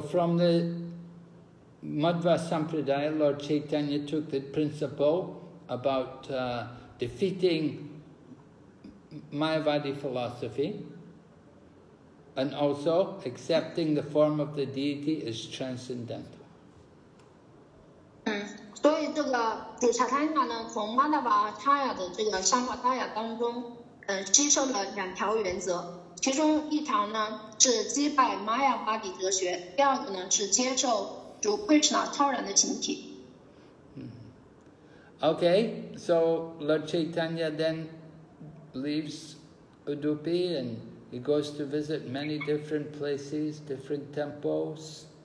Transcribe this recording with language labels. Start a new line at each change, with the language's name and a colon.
English: from the Madhva Sampradaya, Lord Chaitanya took the principle about defeating Mayavadi philosophy. And also, accepting the form of the deity is transcendental.
Chinese: 所以这个主查塔亚呢，从曼达瓦塔亚的这个沙瓦塔亚当中，吸收了两条原则，其中一条呢是击败玛雅瓦底哲学，第二个呢是接受主奎什纳超然的形体。
English: Okay, so Lord Chaitanya then leaves Udupi and he goes to visit many different places, different temples.